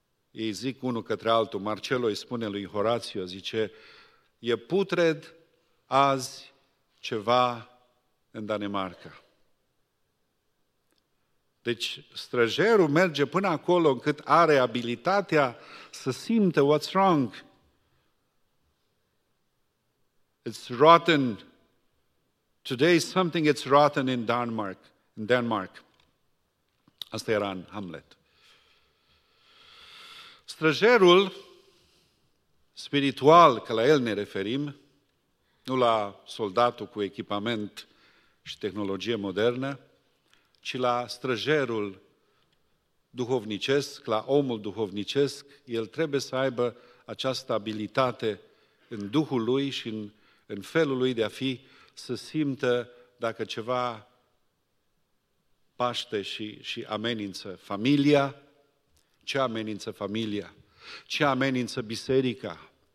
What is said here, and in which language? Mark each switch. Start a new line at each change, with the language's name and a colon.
Romanian: Ei zic unul către altul, Marcello îi spune lui Horatio, zice, e putred azi ceva în Danemarca. Deci străjerul merge până acolo încât are abilitatea să simtă
English: what's wrong. It's rotten. Today something is rotten in Denmark.
Romanian: Asta era în Hamlet. Străjerul spiritual, că la el ne referim, nu la soldatul cu echipament și tehnologie modernă, ci la străjerul duhovnicesc, la omul duhovnicesc, el trebuie să aibă această abilitate în duhul lui și în felul lui de a fi, să simtă dacă ceva paște și amenință familia, ce amenință familia, ce amenință biserica,